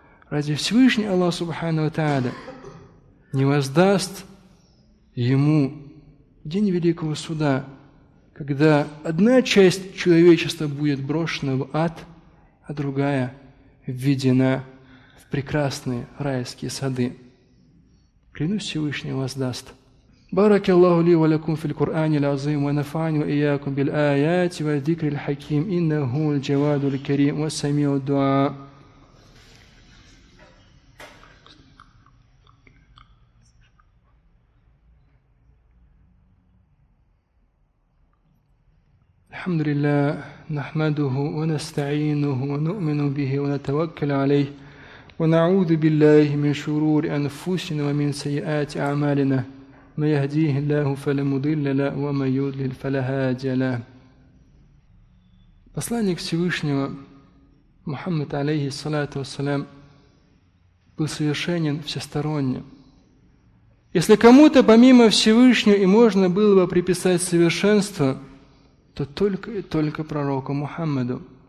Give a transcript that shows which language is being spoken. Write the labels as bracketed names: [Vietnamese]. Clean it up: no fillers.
[Russian] Разве Всевышний Аллах Субхану ва Тааля не воздаст ему в день Великого Суда, когда одна часть человечества будет брошена в ад, а другая введена в прекрасные райские сады? Клянусь, Всевышний воздаст. [Arabic] بارك الله لي ولكم في القرآن العظيم ونفعني وإياكم بالآيات والذكر الحكيم إنه الجواد الكريم والسميع الدعاء. الحمد لله نحمده ونستعينه ونؤمن به ونتوكل عليه ونعوذ بالله من شرور أنفسنا ومن سيئات أعمالنا من يهديه الله فلا مضل له ومن يضلل فلا هادي له. [Russian] Посланник Всевышнего Мухаммад алейхи саляту вассалям был совершенен всесторонне. Если кому-то помимо Всевышнего и можно было бы приписать совершенство, то только и только пророку Мухаммаду.